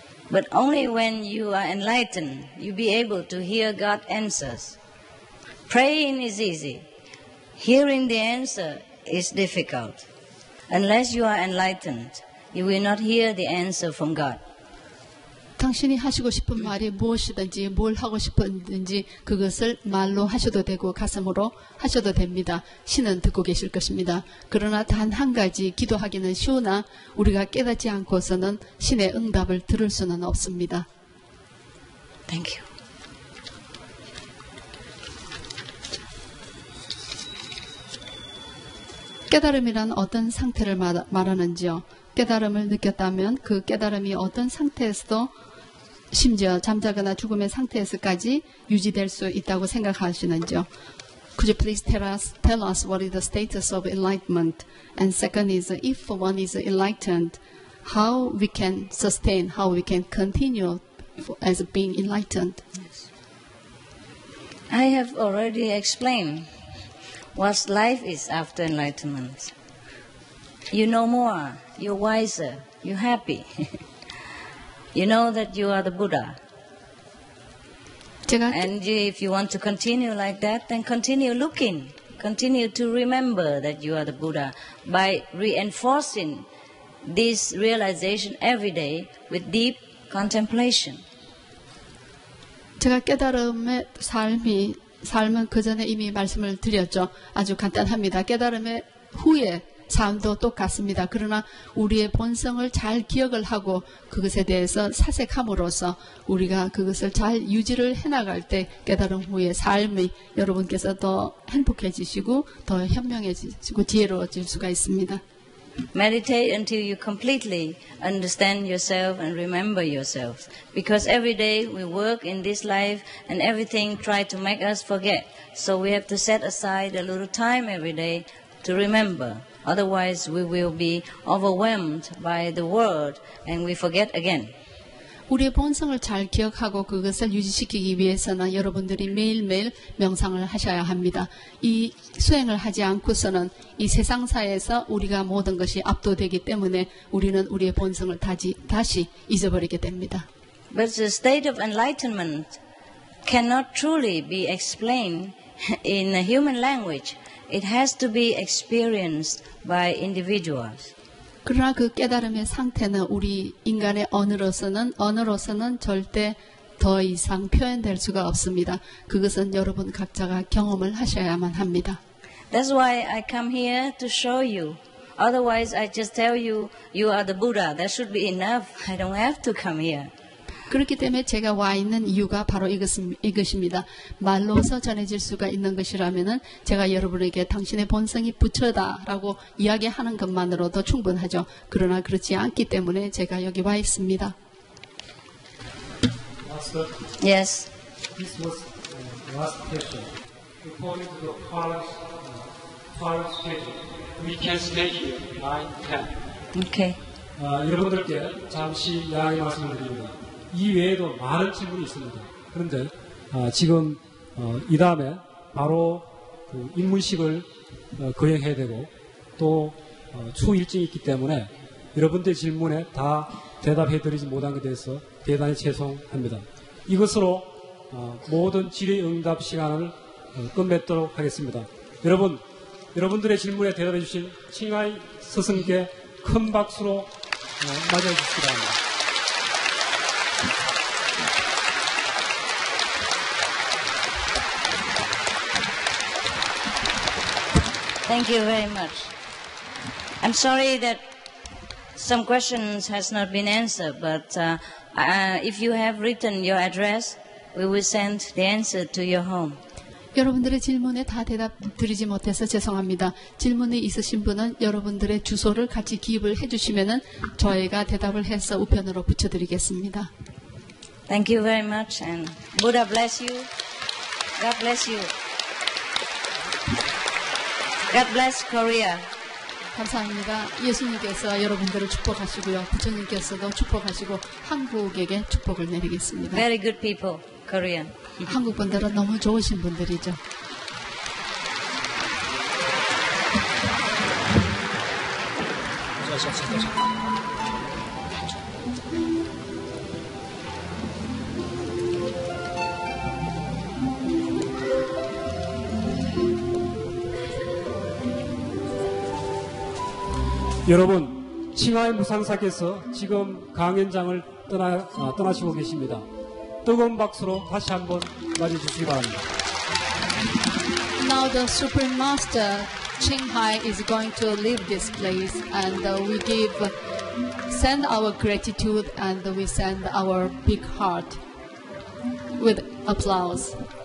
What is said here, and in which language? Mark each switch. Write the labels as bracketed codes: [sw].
[en] But only when you are enlightened, you'll be able to hear God's answers. Praying is easy. Hearing the answer is difficult. Unless you are enlightened, you will not hear the answer from God. [ko] 당신이 하시고 싶은 말이 무엇이든지 뭘 하고 싶은지 그것을 말로 하셔도 되고 가슴으로 하셔도 됩니다. 신은 듣고 계실 것입니다. 그러나 단 한 가지 기도하기는 쉬우나 우리가 깨닫지 않고서는 신의 응답을 들을 수는 없습니다. [en] Thank you. [ko] Qadarum이란 어떤 상태를 말하는지요? 깨달음을 느꼈다면 그 깨달음이 어떤 상태에서도 심지어 잠자거나 죽음의 상태에서까지 유지될 수 있다고 생각하시는지요? [en] Could you please tell us what is the status of enlightenment? And second is, if one is enlightened, how we can sustain, how we can continue as being enlightened? I have already explained what life is after enlightenment. You know more, you're wiser, you're happy. You know that you are the Buddha. And if you want to continue like that, then continue looking. Continue to remember that you are the Buddha by reinforcing this realization every day with deep contemplation. [ko] 제가 깨달음의 삶이 삶은 그 전에 이미 말씀을 드렸죠. 아주 간단합니다. 깨달음의 후에 삶도 똑같습니다. 그러나 우리의 본성을 잘 기억을 하고 그것에 대해서 사색함으로써 우리가 그것을 잘 유지를 해나갈 때 깨달음 후에 삶이 여러분께서 더 행복해지시고 더 현명해지시고 지혜로워질 수가 있습니다. [en] Meditate until you completely understand yourself and remember yourself. Because every day we work in this life and everything try to make us forget. So we have to set aside a little time every day to remember. Otherwise, we will be overwhelmed by the world and we forget again. [ko] 우리의 본성을 잘 기억하고 그것을 유지시키기 위해서는 여러분들이 매일매일 명상을 하셔야 합니다. 이 수행을 하지 않고서는 이 세상사에서 우리가 모든 것이 압도되기 때문에 우리는 우리의 본성을 다시 잊어버리게 됩니다. [en] But the state of enlightenment cannot truly be explained in a human language. It has to be experienced by individuals. [ko] 그러나 그 깨달음의 상태는 우리 인간의 언어로서는 절대 더 이상 표현될 수가 없습니다. 그것은 여러분 각자가 경험을 하셔야만 합니다. [en] That's why I come here to show you. Otherwise, I just tell you, you are the Buddha. That should be enough. I don't have to come here. [ko] 그렇기 때문에 제가 와 있는 이유가 바로 이것입니다. 말로서 전해질 수가 있는 것이라면은 제가 여러분에게 당신의 본성이 부처다라고 이야기하는 것만으로도 충분하죠. 그러나 그렇지 않기 때문에 제가 여기 와 있습니다. [en] Master, yes. This was the last question. According to the first question, we can stay here 9-10. Okay. [ko] 여러분들께 잠시 이야기 말씀을 드립니다. 이 외에도 많은 질문이 있습니다. 그런데 지금 이 다음에 바로 그 입문식을 거행해야 되고 또 추후일정이 있기 때문에 여러분들의 질문에 다 대답해드리지 못한 것에 대해서 대단히 죄송합니다. 이것으로 모든 질의응답 시간을 끝맺도록 하겠습니다. 여러분들의 질문에 대답해주신 칭하이 스승께 큰 박수로 맞아주시기 바랍니다. [en] 땡큐 베리 머치. I'm sorry that some questions has not been answered, but if you have written your address, we will send the answer to your home. [ko] 여러분들의 질문에 다 대답 드리지 못해서 죄송합니다. 질문이 있으신 분은 여러분들의 주소를 같이 기입을 해 주시면은 저희가 대답을 해서 우편으로 붙여 드리겠습니다. [en] Thank you very much and Buddha bless you. God bless you. God bless Korea. [ko] 감사합니다. 예수님께서 여러분들을 축복하시고요. 부처님께서도 축복하시고 한국에게 축복을 내리겠습니다. [en] Very good people, Korean. [ko] 한국 분들은 너무 좋으신 분들이죠. (웃음) 여러분, 칭하이 무상사께서 지금 강연장을 떠나시고 계십니다. 뜨거운 박수로 다시 한번 맞아주시기 바랍니다. [en] Now the Supreme Master Qinghai is going to leave this place and we send our gratitude and we send our big heart with applause.